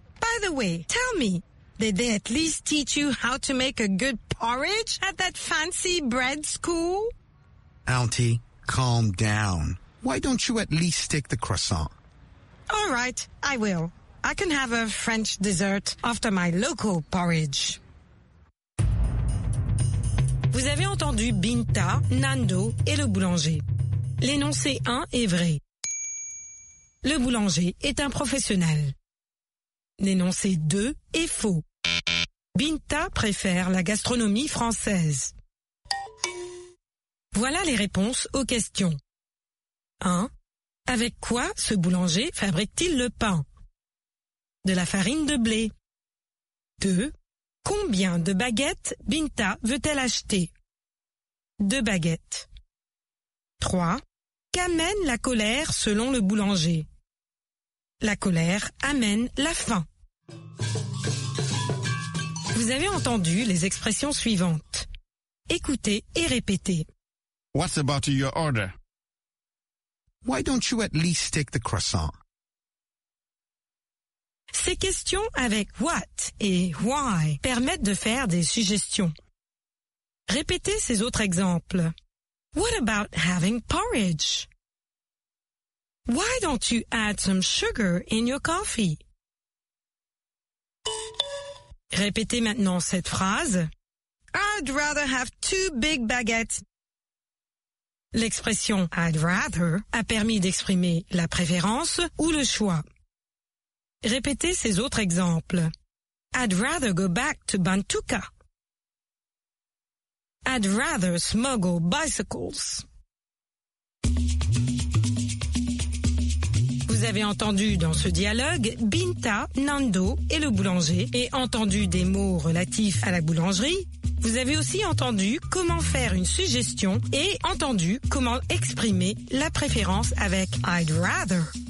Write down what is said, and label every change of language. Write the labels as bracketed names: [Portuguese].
[English] By the way, tell me, did they at least teach you how to make a good porridge at that fancy bread school? Auntie, calm down. Why don't you at least stick the croissant? All right, I will. I can have a French dessert after my local porridge. [French] Vous avez entendu Binta, Nando et le boulanger. L'énoncé 1 est vrai. Le boulanger est un professionnel. L'énoncé 2 est faux. Binta préfère la gastronomie française. Voilà les réponses aux questions. 1. Avec quoi ce boulanger fabrique-t-il le pain? De la farine de blé. 2. Combien de baguettes Binta veut-elle acheter? 2 baguettes. 3. Qu'amène la colère selon le boulanger? La colère amène la faim. Vous avez entendu les expressions suivantes. Écoutez et répétez. [English] What's about your order? Why don't you at least take the croissant? [French] Ces questions avec what et why permettent de faire des suggestions. Répétez ces autres exemples. [English] What about having porridge? Why don't you add some sugar in your coffee? [French] Répétez maintenant cette phrase. [English] I'd rather have two big baguettes. [French] L'expression I'd rather a permis d'exprimer la préférence ou le choix. Répétez ces autres exemples. [English] I'd rather go back to Bantuka. I'd rather smuggle bicycles. [French] Vous avez entendu dans ce dialogue Binta, Nando et le boulanger et entendu des mots relatifs à la boulangerie. Vous avez aussi entendu comment faire une suggestion et entendu comment exprimer la préférence avec I'd rather.